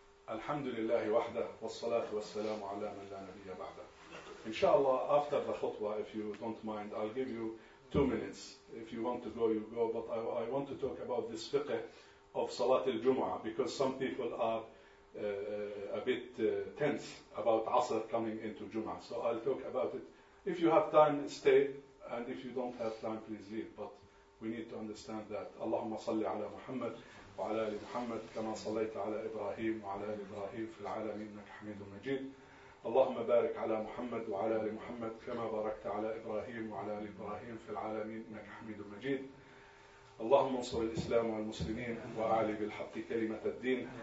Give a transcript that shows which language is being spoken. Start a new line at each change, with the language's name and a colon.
Arabic: الحمد لله وحده والصلاة والسلام على من لا نبي بعده.
English: إن شاء الله after the khutbah, if you don't mind, I'll give you 2 minutes. If you want to go, you go. But I want to talk about this fiqh of Salat al-Jumu'ah, because some people are a bit tense about Asr coming into Jumu'ah. So I'll talk about it. If you have time, stay. And if you don't have time, please leave. But we need to understand that.
Arabic: اللهم صل على محمد وعلى آل محمد كما صليت على إبراهيم وعلى آل إبراهيم في العالمين إنك حميد مجيد. اللهم بارك على محمد وعلى آل محمد كما باركت على إبراهيم وعلى آل إبراهيم في العالمين إنك حميد مجيد. اللهم انصر الإسلام والمسلمين وأعلي بالحق كلمة الدين.